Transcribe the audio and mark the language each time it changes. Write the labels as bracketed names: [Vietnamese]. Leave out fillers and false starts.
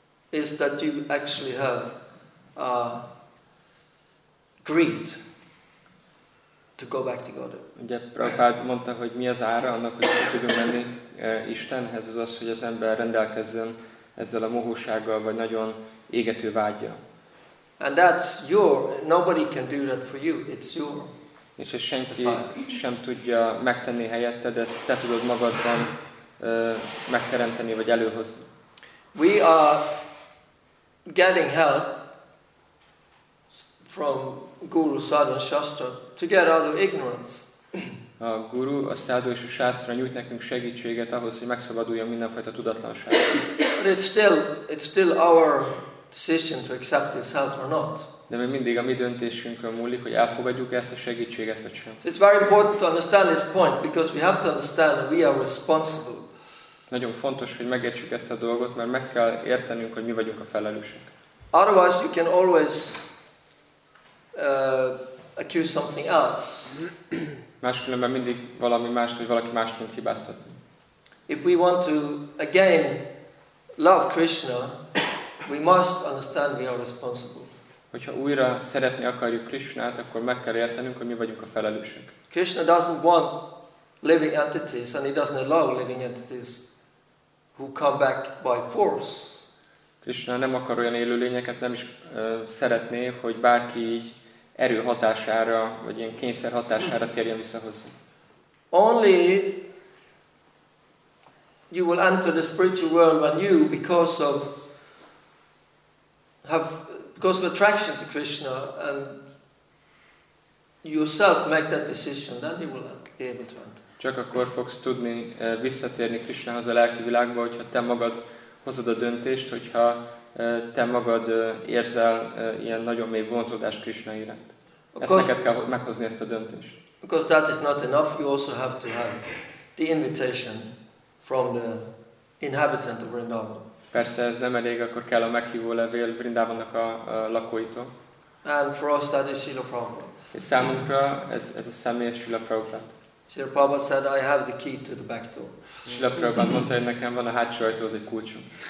[English] Is that you actually have greed to go back to God. [Hungarian] Ugye Prabhupada mondta, hogy mi az ára annak, hogy tudjunk menni Istenhez, ez az, hogy az ember rendelkezzen ezzel a mohósággal, vagy nagyon égető vágya. [English] And that's your, nobody can do that for you, it's your. [Hungarian] És ezt senki sem tudja megtenni helyetted, de te tudod magadban megteremteni, vagy előhozni. [English] We are getting help from Guru, Sadhu and Shastra to get out of ignorance. [Hungarian] A Guru, a Sadhu és a Shastra nyújt nekünk segítséget ahhoz, hogy megszabaduljon mindenfajta tudatlanságot. [English] It's still our decision to accept this help or not. [Hungarian] De mi mindig a mi döntésünkön múlik, hogy elfogadjuk ezt a segítséget, vagy sem. [English] So it's very important to understand this point because we have to understand that we are responsible. [Hungarian] Nagyon fontos, hogy megértsük ezt a dolgot, mert meg kell értenünk, hogy mi vagyunk a felelősek. [English] Otherwise you can always accuse something else. [Hungarian] Máskülönben mindig valami mást, vagy valaki mást fogunk hibáztatni. [English] If we want to again love Krishna, we must understand we are responsible. [Hungarian] Hogyha újra szeretni akarjuk Krishnát, akkor meg kell értenünk, hogy mi vagyunk a felelősek. [English] Krishna doesn't want living entities, and he doesn't allow living entities who come back by force. [Hungarian] Krishna nem akar olyan élőlényeket, nem is szeretné, hogy bárki így erő hatására, vagy ilyen kényszer hatására térjen vissza hozzá. [English] Only you will enter the spiritual world when you, because of attraction to Krishna, and yourself make that decision, then you will be able to enter. [Hungarian] Csak akkor fogsz tudni visszatérni Krishnához a lelki világba, hogyha te magad hozod a döntést, hogyha te magad érzel ilyen nagyon mély vonzódást Krishna iránt. Ezt neked kell meghozni ezt a döntést. [English] Because that is not enough, you also have to have the invitation from the inhabitant of Vrindavan. [Hungarian] Persze ez nem elég, akkor kell a meghívó levél Vrindavannak a lakóitól. [English] And for us that is Srila Prabhupada. [Hungarian] És számunkra ez a személyes Srila Prabhupada. [English] Srila Prabhupada said, I have the key to the back door. [Hungarian] Srila Prabhupada mondta, hogy nekem van a hátsó ajtóhoz egy kulcsom.